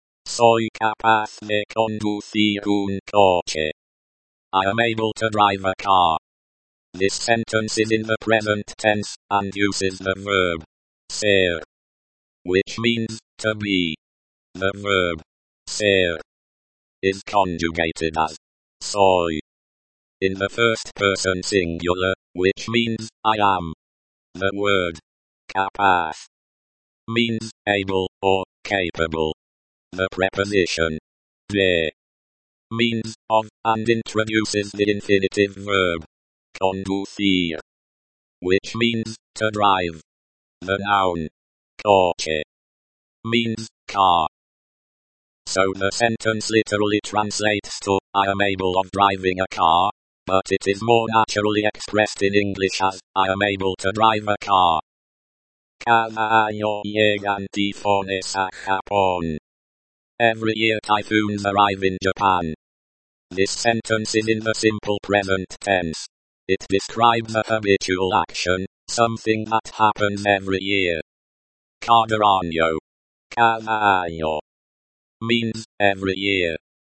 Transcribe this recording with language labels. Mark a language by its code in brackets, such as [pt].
[es] Soy capaz de conducir un coche. [en] I am able to drive a car. This sentence is in the present tense, and uses the verb [es] ser, [en] which means to be. The verb ser is conjugated as [es] soy [en] in the first person singular, which means I am. The word capaz means able or capable. The preposition [es] de [en] means of and introduces the infinitive verb [es] conducir, [en] which means to drive. The noun coche means car. So the sentence literally translates to I am able of driving a car, but it is more naturally expressed in English as I am able to drive a car. [es] Cada año llegan tifones a Japón. [en] Every year typhoons arrive in Japan. This sentence is in the simple present tense. It describes a habitual action, something that happens every year. [es] Cada año. Cada año. [en] Means, every year.